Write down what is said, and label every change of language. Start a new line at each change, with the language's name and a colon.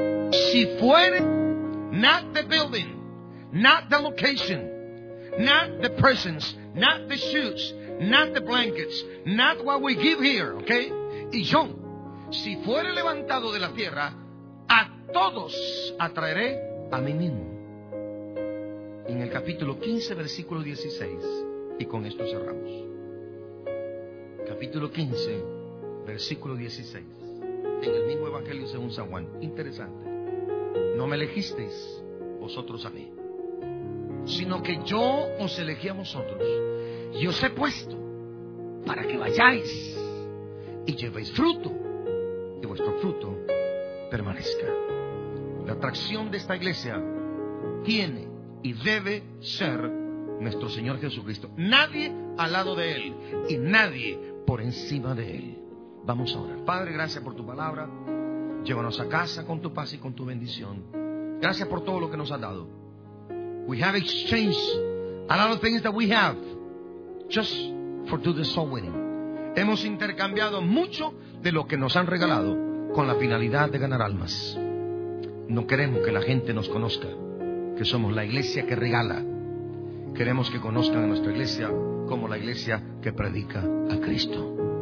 Spanish: Si fuere
English: not the building, not the location, not the presence, not the shoes, not the blankets, not what we give here, okay?
Spanish: Y yo, si fuere levantado de la tierra, a todos atraeré a mí mismo. En el capítulo 15, versículo 16, y con esto cerramos. Capítulo 15, versículo 16, en el mismo Evangelio según San Juan. Interesante. No me elegisteis vosotros a mí, sino que yo os elegí a vosotros, y os he puesto para que vayáis y llevéis fruto, y vuestro fruto permanezca. La atracción de esta iglesia tiene y debe ser nuestro Señor Jesucristo. Nadie al lado de Él y nadie por encima de Él. Vamos a orar. Padre, gracias por tu palabra. Llévanos a casa con tu paz y con tu bendición. Gracias por todo lo que nos has dado.
English: We have exchanged a lot of things that we have just for to the soul winning.
Spanish: Hemos intercambiado mucho de lo que nos han regalado con la finalidad de ganar almas. No queremos que la gente nos conozca, que somos la iglesia que regala. Queremos que conozcan a nuestra iglesia como la iglesia que predica a Cristo.